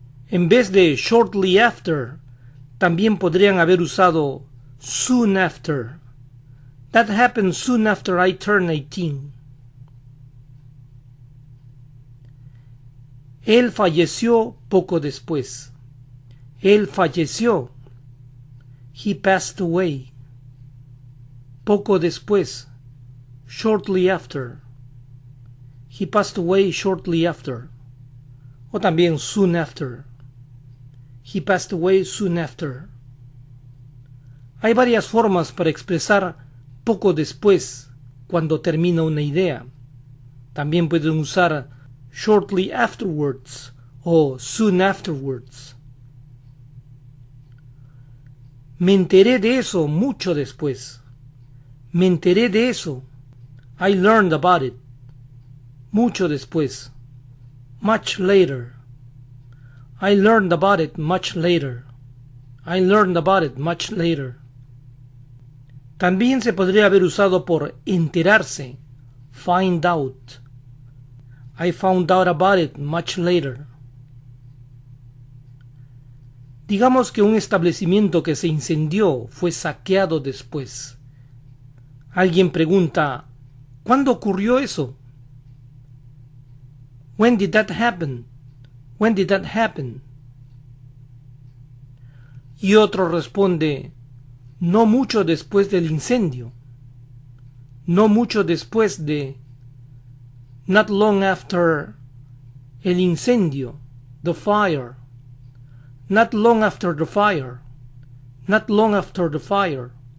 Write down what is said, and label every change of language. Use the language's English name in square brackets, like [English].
[Spanish] En vez de [English] shortly after, [Spanish] también podrían haber usado [English] soon after. That happened soon after I turned 18. [Spanish] Él falleció poco después. Él falleció. [English] He passed away. [Spanish] Poco después. [English] Shortly after. He passed away shortly after. [Spanish] O también [English] soon after. He passed away soon after. [Spanish] Hay varias formas para expresar poco después cuando termina una idea. También pueden usar [English] shortly afterwards [Spanish] o [English] soon afterwards. [Spanish] Me enteré de eso mucho después. Me enteré de eso. [English] I learned about it. [Spanish] Mucho después. [English] Much later. I learned about it much later. I learned about it much later. [Spanish] También se podría haber usado por enterarse. [English] Find out. I found out about it much later. [Spanish] Digamos que un establecimiento que se incendió fue saqueado después. Alguien pregunta, ¿cuándo ocurrió eso? [English] When did that happen? When did that happen? [Spanish] Y otro responde, no mucho después del incendio. No mucho después de, [English] not long after [Spanish] el incendio, [English] the fire. Not long after the fire. Not long after the fire.